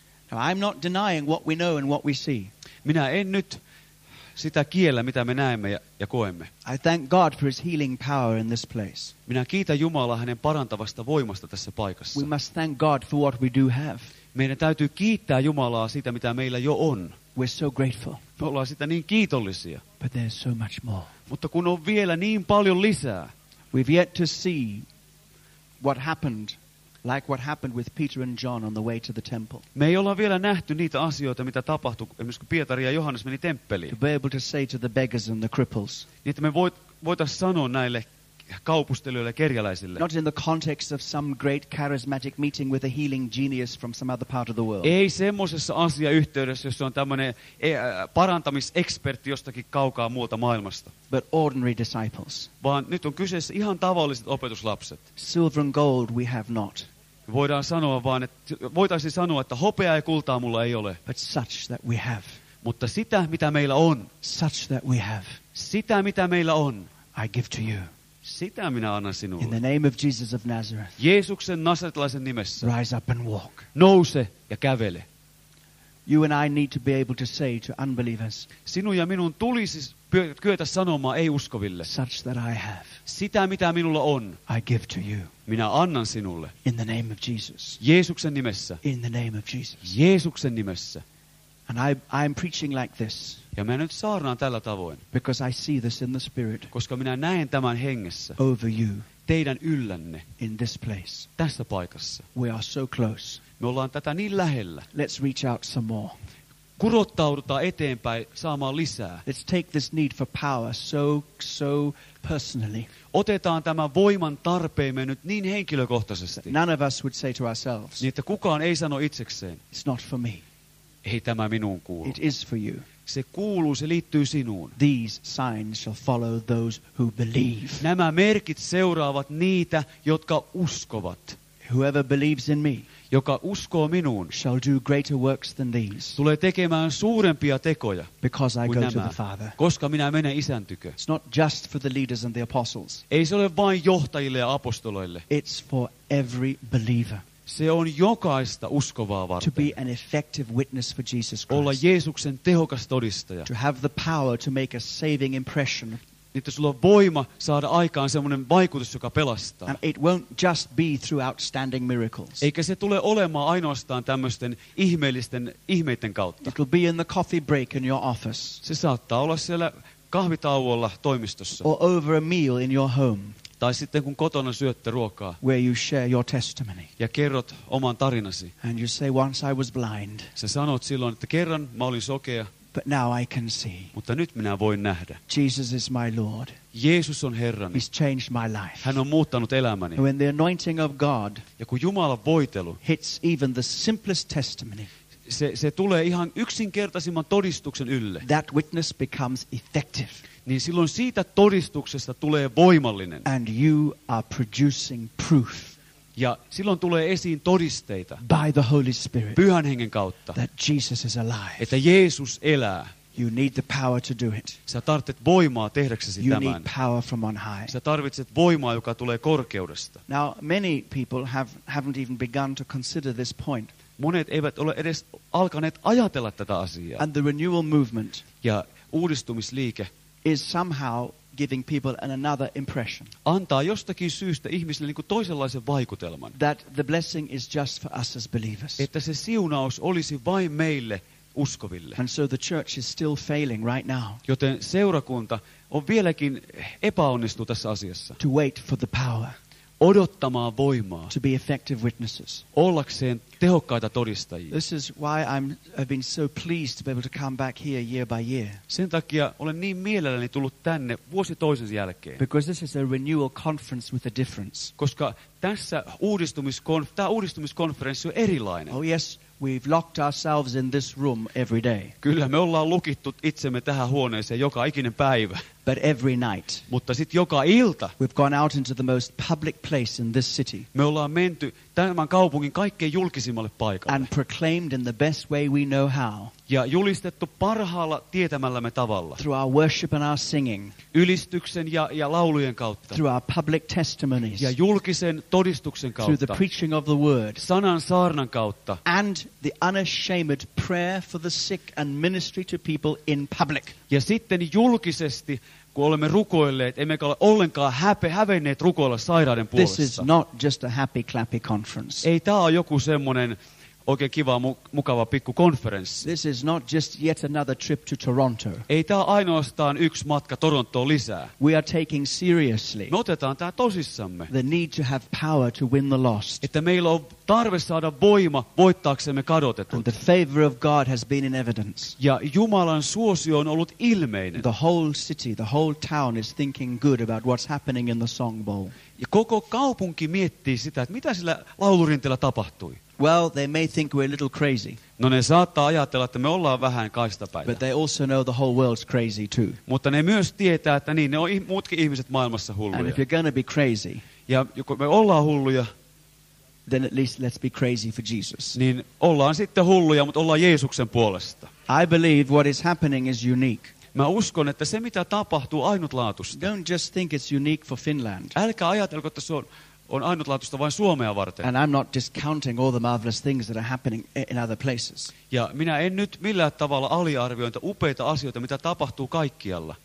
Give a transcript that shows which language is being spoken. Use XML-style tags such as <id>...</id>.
<en>Now, I'm not denying what we know and what we see.</en> <fi>Minä en nyt sitä kiellä, mitä me näemme ja koemme.</fi> <en>I thank God for his healing power in this place.</en> <fi>Minä kiitän Jumalaa hänen parantavasta voimasta tässä paikassa.</fi> <en>We must thank God for what we do have.</en> <fi>Meidän täytyy kiittää Jumalaa siitä, mitä meillä jo on.</fi> <en>We're so grateful.</en> <fi>Me ollaan sitä niin kiitollisia.</fi> <en>But there's so much more.</en> <fi>Mutta kun on vielä niin paljon lisää.</fi> <en>We've yet to see what happened, like what happened with Peter and John on the way to the temple.</en> <fi>Me ei olla vielä nähty niitä asioita, mitä tapahtui, esimerkiksi kun Pietari ja Johannes meni temppeliin.</fi> <en>To be able to say to the beggars and the cripples.</en> <fi>Niin, että me voitaisiin sanoa näille kaupustelijoille ja kerjäläisille.</fi> <en>Not in the context of some great charismatic meeting with a healing genius from some other part of the world.</en> <fi>Ei semmoisessa asiayhteydessä, jossa on tämmöinen parantamisekspertti jostakin kaukaa muuta maailmasta.</fi> <en>But ordinary disciples.</en> <fi>Vaan nyt on kyseessä ihan tavalliset opetuslapset.</fi> <en>Silver and gold we have not.</en> <fi>Voitaisiin sanoa, että hopeaa ja kultaa mulla ei ole.</fi> <en>But such that we have.</en> <fi>Mutta sitä, mitä meillä on,</fi> <en>such that we have,</en> <fi>sitä, mitä meillä on,</fi> <en>I give to you.</en> <fi>Sitä minä annan sinulle.</fi> <en>In the name of Jesus of Nazareth.</en> <fi>Jeesuksen nasaretilaisen nimessä.</fi> <en>Rise up and walk.</en> <fi>Nouse ja kävele.</fi> <en>You and I need to be able to say to unbelievers.</en> <fi>Sinun ja minun tulisi kyetä sanomaan ei-uskoville.</fi> <en>Such that I have.</en> <fi>Sitä mitä minulla on.</fi> <en>I give to you.</en> <fi>Minä annan sinulle.</fi> <en>In the name of Jesus.</en> <fi>Jeesuksen nimessä.</fi> <en>In the name of Jesus.</en> <fi>Jeesuksen nimessä.</fi> <en>And I am preaching like this.</en> <fi>Ja minä nyt saarnaan tällä tavoin.</fi> <en>Because I see this in the spirit.</en> <fi>Koska minä näen tämän hengessä.</fi> <en>Over you.</en> <fi>Teidän yllänne.</fi> <en>In this place.</en> <fi>Tässä paikassa.</fi> <en>We are so close.</en> <fi>Me ollaan tätä niin lähellä.</fi> <en>Let's reach out some more.</en> <fi>Kurottaudutaan eteenpäin saamaan lisää.</fi> <en>Let's take this need for power so personally.</en> <fi>Otetaan tämä voiman tarpeemme nyt niin henkilökohtaisesti.</fi> <en>None of us would say to ourselves.</en> <fi>Niin että kukaan ei sano itsekseen.</fi> <en>It's not for me.</en> <fi>Ei tämä minuun kuulu.</fi> <en>It is for you.</en> <fi>Se kuuluu, se liittyy sinuun.</fi> <en>These signs shall follow those who believe.</en> <fi>Nämä merkit seuraavat niitä, jotka uskovat.</fi> <en>Whoever believes in me,</en> <fi>joka uskoo minuun,</fi> <en>shall do greater works than these.</en> <fi>Tulee tekemään suurempia tekoja.</fi> <en>Because I</en> <fi>kuin</fi> <en>go</en> <fi>nämä,</fi> <en>to the Father.</en> <fi>Koska minä menen isän tykö.</fi> <en>It's not just for the leaders and the apostles.</en> <fi>Ei se ole vain johtajille ja apostoloille.</fi> <en>It's for every believer.</en> <fi>Se on jokaista uskovaa varten.</fi> <en>To be an effective witness for Jesus Christ.</en> <fi>Olla Jeesuksen tehokas todistaja.</fi> <en>To have the power to make a saving impression.</en> <fi>Että sulla on voima saada aikaan semmoinen vaikutus, joka pelastaa.</fi> <en>And it won't just be through outstanding miracles.</en> <fi>Eikä se tule olemaan ainoastaan tämmöisten ihmeellisten ihmeiden kautta.</fi> <en>It will be in the coffee break in your office.</en> <fi>Se saattaa olla siellä kahvitauolla toimistossa.</fi> <en>Or over a meal in your home.</en> <fi>Tai sitten kun kotona syötte ruokaa.</fi> <en>Where you share your testimony.</en> <fi>Ja kerrot oman tarinasi.</fi> <en>And you say, once I was blind.</en> <fi>Sä sanot silloin, että kerran mä olin sokea.</fi> <en>But now I can see.</en> <fi>Mutta nyt minä voin nähdä.</fi> <en>Jesus is my Lord.</en> <fi>Jeesus on Herrani.</fi> <en>He's changed my life.</en> <fi>Hän on muuttanut elämäni.</fi> <en>When the anointing of God.</en> <fi>Ja kun Jumalan voitelu.</fi> <en>Hits even the simplest testimony.</en> <fi>Se tulee ihan yksinkertaisimman todistuksen ylle.</fi> <en>That witness becomes effective.</en> <fi>Niin silloin siitä todistuksesta tulee voimallinen.</fi> <en>And you are producing proof.</en> <fi>Ja silloin tulee esiin todisteita.</fi> <en>By the Holy Spirit.</en> <fi>Pyhän Hengen kautta.</fi> <en>That Jesus is alive.</en> <fi>Että Jeesus elää.</fi> <en>You need the power to do it.</en> <fi>Sä tarvitset voimaa tehdäksesi</fi> <en>you</en> <fi>tämän.</fi> <en>You need power from on high.</en> <fi>Sä tarvitset voimaa, joka tulee korkeudesta.</fi> <en>Now many people haven't even begun to consider this point.</en> <fi>Monet eivät ole edes alkaneet ajatella tätä asiaa.</fi> <en>And the renewal movement.</en> <fi>Ja uudistumisliike.</fi> <en>Is somehow giving people another impression.</en> <fi>Antaa jostakin syystä ihmisille niin kuin toisenlaisen vaikutelman.</fi> <en>That the blessing is just for us as believers.</en> <fi>Että se siunaus olisi vain meille uskoville.</fi> <en>And so the church is still failing right now.</en> <fi>Joten seurakunta on vieläkin epäonnistu tässä asiassa.</fi> <en>To wait for the power.</en> <fi>Odottamaan voimaa.</fi> <en>To be effective witnesses.</en> <fi>Ollakseen tehokkaita todistajia.</fi> <en>This is why I've been so pleased to be able to come back here year by year.</en> <fi>Sen takia olen niin mielelläni tullut tänne vuosi toisensa jälkeen.</fi> <en>Because this is a renewal conference with a difference.</en> <fi>Koska tässä uudistumiskonferenssi on erilainen.</fi> <en>Oh yes, we've locked ourselves in this room every day.</en> <fi>Kyllä me ollaan lukittu itsemme tähän huoneeseen joka ikinen päivä.</fi> <en>But every night.</en> <fi>Mutta sit joka ilta.</fi> <en>We've gone out into the most public place in this city.</en> <fi>Me ollaan menty tämän kaupungin kaikkein julkisimmalle paikalle.</fi> <en>And proclaimed in the best way we know how.</en> <fi>Ja julistettu parhaalla tietämällämme tavalla.</fi> <en>Through our worship and our singing.</en> <fi>Ylistyksen ja laulujen kautta.</fi> <en>Through our public testimonies.</en> <fi>Ja julkisen todistuksen kautta.</fi> <en>Through the preaching of the word.</en> <fi>Sanan saarnan kautta.</fi> <en>And the unashamed prayer for the sick and ministry to people in public.</en> <fi>Ja sitten julkisesti, kun olemme rukoilleet, emmekä ole ollenkaan hävenneet rukoilla sairaiden puolesta.</fi> <en>This is not just a happy clappy conference.</en> <fi>Ei tämä ole joku semmoinen oikein kiva, mukava pikku konferenssi.</fi> <en>This is not just yet another trip to Toronto.</en> <fi>Ei tämä ainoastaan yksi matka Torontoon lisää.</fi> <en>We are taking seriously.</en> <fi>Me otetaan tämä tosissamme.</fi> <en>The need to have power to win the lost.</en> <fi>Että meillä on tarve saada voima voittaaksemme kadotetut.</fi> <en>And the favor of God has been in evidence.</en> <fi>Ja Jumalan suosio on ollut ilmeinen.</fi> <en>The whole city, the whole town is thinking good about what's happening in the Song Bowl.</en> <fi>Ja koko kaupunki miettii sitä, että mitä sillä laulurintillä tapahtui.</fi> <en>Well, they may think we're a little crazy.</en> <fi>No, ne saattaa ajatella, että me ollaan vähän kaistapäitä.</fi> <en>But they also know the whole world's crazy too.</en> <fi>Mutta ne myös tietää, että niin, ne on muutkin ihmiset maailmassa hulluja.</fi> <en>And if you're gonna be crazy,</en> <fi>ja kun me ollaan hulluja,</fi> <en>then at least let's be crazy for Jesus.</en> <fi>Niin ollaan sitten hulluja, mutta ollaan Jeesuksen puolesta.</fi> <en>I believe what is happening is unique.</en> <fi>Mä uskon, että se mitä tapahtuu ainutlaatuista.</fi> <en>Don't just think it's unique for Finland.</en> <fi>Älkää ajatelko, että se on ainutlaatuista vain Suomea varten.</fi> <en>And I'm not discounting all the marvelous things that are happening in other places.</en> <fi>Ja minä en nyt millään tavalla aliarvioita upeita asioita, mitä tapahtuu kaikkialla.</fi>